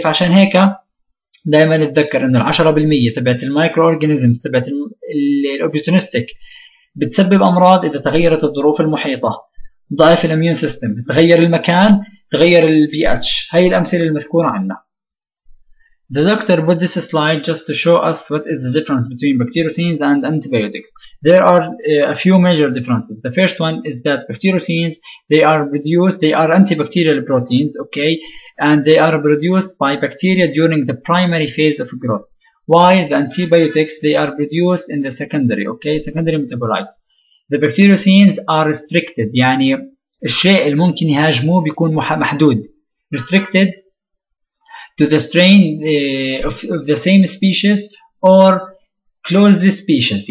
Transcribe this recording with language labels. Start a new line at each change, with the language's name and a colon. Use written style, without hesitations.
Arabic: فعشان هيك دائما نتذكر انه 10% تبعت المايكرو اورجانيزمز تبعت الاوبورتونستيك بتسبب امراض اذا تغيرت الظروف المحيطه. ضعف الاميون سيستم، تغير المكان، تغير البي اتش. هاي الامثله المذكوره عندنا.
English: The doctor put this slide just to show us what is the difference between bacteriocins and antibiotics. There are a few major differences. The first one is that bacteriocins, they are antibacterial proteins, okay, and they are produced by bacteria during the primary phase of growth, while the antibiotics, they are produced in the secondary, okay, secondary metabolites. The bacteriocins are restricted,
Arabic: يعني الشيء الممكن يهاجموه بيكون محدود.
English: Restricted to the strain of the same species or closely species.